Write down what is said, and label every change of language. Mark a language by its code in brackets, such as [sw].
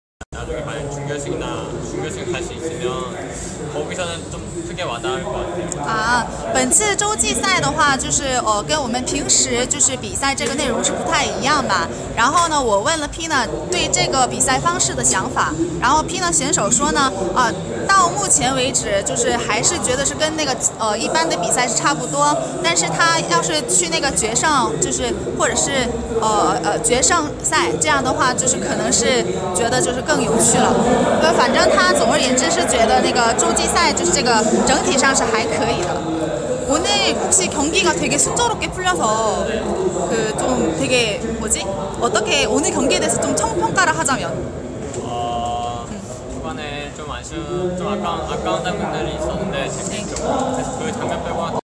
[ko] 나중에 만약 중결승이나 준결승 갈 수 있으면 거기서는 좀 크게 와닿을 것 같아요. [zh] 아, 本次洲际赛的话，就是跟我们平时就是比赛这个内容是不太一样吧。然后呢，我问了 Pina 对这个比赛方式的想法，然后 Pina 选手说呢，到目前为止就是还是觉得是跟那个一般的比赛是差不多。但是他要是去那个决胜，就是或者是决胜赛这样的话，就是可能是觉得就是更有趣了。反正他总而言之是觉得那个洲际赛就是这个整体上是还可以的。 [ko] 오늘 혹시 경기가 되게 순조롭게 풀려서 그 좀 되게 뭐지? 어떻게 오늘 경기에 대해서 좀 총평가를 하자면? 이번에 좀 아까운 장면들이 있었는데 재밌었고 그 장면 빼고는